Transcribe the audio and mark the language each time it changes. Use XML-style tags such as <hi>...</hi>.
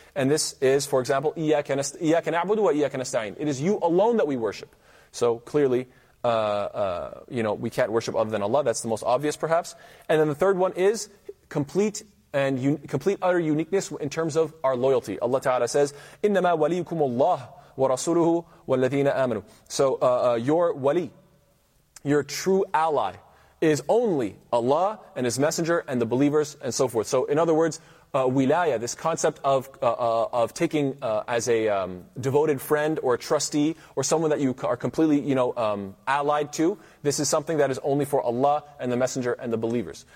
<en>And this is, for example,</en> <ar>إِيَّاكَ نَعْبُدُ وَإِيَّاكَ نَسْتَعِينَ.</ar> <en>It is you alone that we worship. So clearly, we can't worship other than Allah. That's the most obvious, perhaps. And then the third one is complete and complete utter uniqueness in terms of our loyalty. Allah Ta'ala says,</en> <ar>إِنَّمَا وَلِيُكُمُ اللَّهُ وَرَسُولُهُ وَالَّذِينَ آمَنُوا.</ar> <en>So your wali, your true ally, is only Allah and His Messenger and the believers and so forth. So in other words, wilaya, this concept of taking as a devoted friend or a trustee or someone that you are completely, allied to, this is something that is only for Allah and the Messenger and the believers.</en>